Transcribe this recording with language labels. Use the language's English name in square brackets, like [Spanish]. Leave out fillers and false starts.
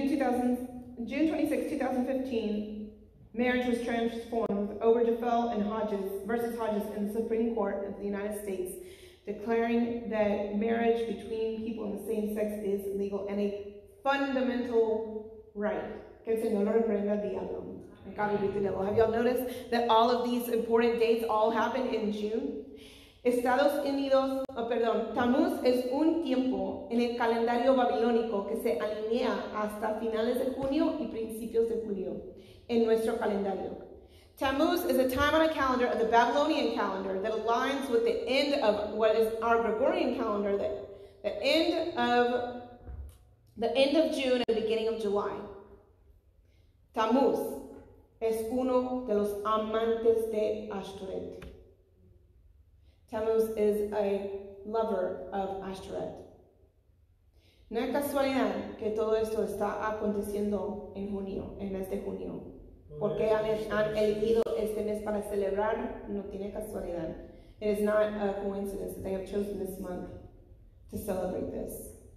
[English] June 26, 2015, marriage was transformed over Obergefell and Hodges versus Hodges in the Supreme Court of the United States, declaring that marriage between people of the same sex is legal and a fundamental right. [Spanish] Que el Señor lo reprenda al diablo. [English] God be with you. Have y'all noticed that all of these important dates all happen in June? [Spanish] Estados Unidos, Tammuz es un tiempo en el calendario babilónico que se alinea hasta finales de junio y principios de julio. En nuestro calendario. [English] Tammuz is a time on a calendar of the Babylonian calendar that aligns with the end of what is our Gregorian calendar, the end of June and the beginning of July. [Spanish] Tammuz es uno de los amantes de Ashtoreth. [English] Tammuz is a lover of Ashtoreth. [Spanish] No es casualidad que todo esto está aconteciendo en junio, en mes de junio. ¿Por qué han elegido este mes para celebrar? No tiene casualidad. [English] It is not a coincidence that they have chosen this month to celebrate this.